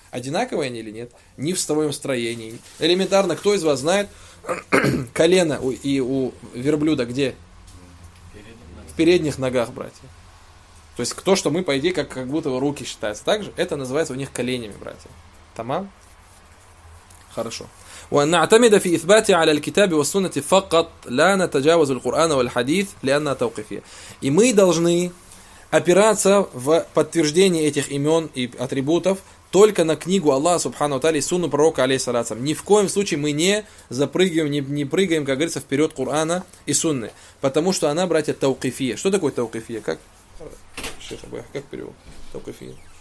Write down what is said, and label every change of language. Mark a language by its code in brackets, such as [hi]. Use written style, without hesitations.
[ru] Одинаковая они или нет? Не в своем строении. Элементарно, кто из вас знает колено и у верблюда где? В передних ногах, братья. То есть то, что мы, по идее, как будто руки считаются так же, это называется у них коленями, братья. Тамам? Хорошо. [ar] ونعتمد في إثباته على الكتاب والسنة فقط لا نتجاوز القرآن والحديث لأنها توقفية. [ru] И мы должны опираться в подтверждении этих имен и атрибутов только на книгу Аллаха Субхану ва Тааля и сунну пророка алейхиссалям. Ни в коем случае мы не запрыгиваем, не прыгаем, как говорится, вперед Курана и Сунны. Потому что она, братья, тауқифия. Что такое тауқифия? Как? Шейх Абу Яхья, как перевод? Тауқифия.